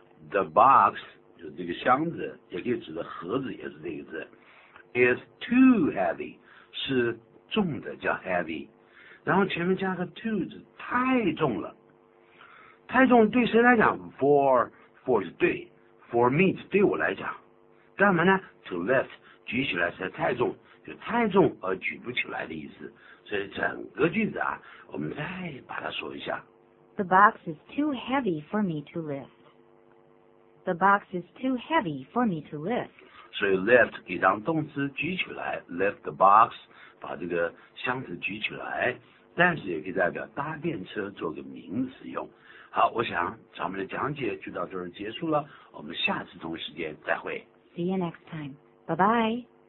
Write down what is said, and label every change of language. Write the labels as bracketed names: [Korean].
[English] The box [Chinese] 就是这个箱子，也可以指的盒子，也是这个字。 [English] Is too heavy [Chinese] 是重的，叫 heavy。然后前面加个 too 字，太重了，太重对谁来讲 ？For 是对 ， [English] for me [Chinese] 是对我来讲，干嘛呢 ？ [English] To lift [Chinese] 举起来实在太重，就太重而举不起来的意思。所以整个句子啊，我们再把它说一下。 [English] The box is too heavy for me to lift. The box is too heavy for me to lift. [Chinese] 所以 lift 可以当动词举起来 ， [English] lift the box。 [Chinese] 把这个箱子举起来，但是也可以代表搭便车做个名词用。好，我想咱们的讲解就到这儿结束了，我们下次同时间再会。 [English] See you next time. Bye bye.